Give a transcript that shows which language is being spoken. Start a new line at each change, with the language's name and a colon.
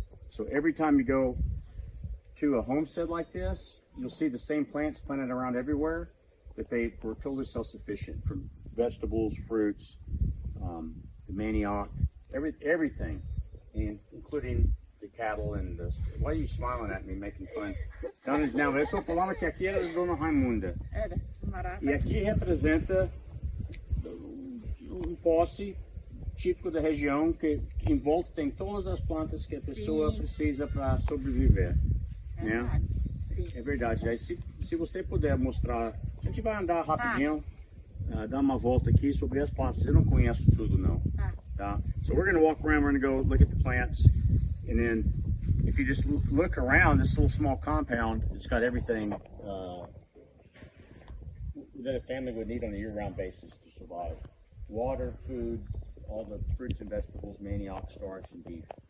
English: So every time you go to a homestead like this, you'll see the same plants planted around everywhere that they were totally self-sufficient from vegetables, fruits, the manioc, everything, and including the cattle and the... Why are you smiling at me, making fun?
Portuguese: Dona Ginalva, eu estou falando que aqui era Dona Raimunda. E aqui representa um posse típico da região, que em volta tem todas as plantas que a pessoa precisa para sobreviver. Verdade. Sim. É verdade. Aí, se você puder mostrar, a gente vai andar rapidinho, dar uma volta aqui sobre as plantas. Eu não conheço tudo, não.
English: So we're going to walk around, we're going to go look at the plants, and then if you just look around this little small compound, it's got everything that a family would need on a year-round basis to survive. Water, food, all the fruits and vegetables, manioc, starch, and beef.